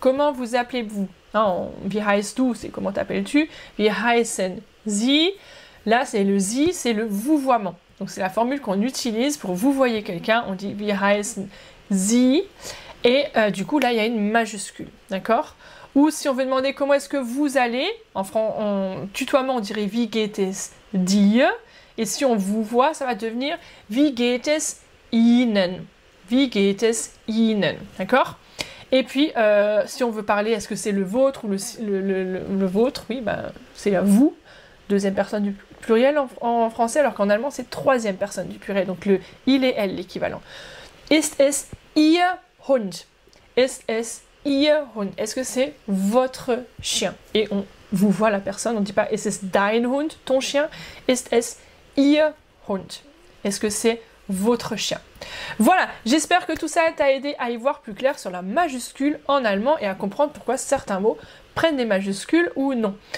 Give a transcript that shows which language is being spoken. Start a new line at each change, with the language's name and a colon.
French: Comment vous appelez-vous ? Non, «
German: Wie heißt du
French: ?» c'est « Comment t'appelles-tu ? » ?»«
German: Wie heißen Sie ?»
French: Là, c'est le « Sie », c'est le vouvoiement. Donc, c'est la formule qu'on utilise pour vouvoyer quelqu'un. On dit «
German: Wie heißen Sie
French: ?» Et du coup, là, il y a une majuscule, d'accord ? Ou si on veut demander « Comment est-ce que vous allez ?» en tutoiement, on dirait «
German: Wie geht es dir ?»
French: Et si on vous voit, ça va devenir «
German: Wie geht es Ihnen
French: ?»« Wie geht es Ihnen ?» D'accord ? Et puis, si on veut parler, est-ce que c'est le vôtre ou le vôtre ? Oui, ben, c'est « vous », deuxième personne du pluriel en français, alors qu'en allemand, c'est troisième personne du pluriel. Donc, le « il » et « elle », l'équivalent.
German: « Ist es Ihr Hund ?»« Ist es Ihr Hund ?»
French: Est-ce que c'est votre chien ? Et on vous voit la personne, on ne dit pas «
German: Ist es dein Hund
French: ?»« Ton chien ?»« Ist es Ihr Hund ?» Est-ce que c'est votre chien. Voilà, j'espère que tout ça t'a aidé à y voir plus clair sur la majuscule en allemand et à comprendre pourquoi certains mots prennent des majuscules ou non.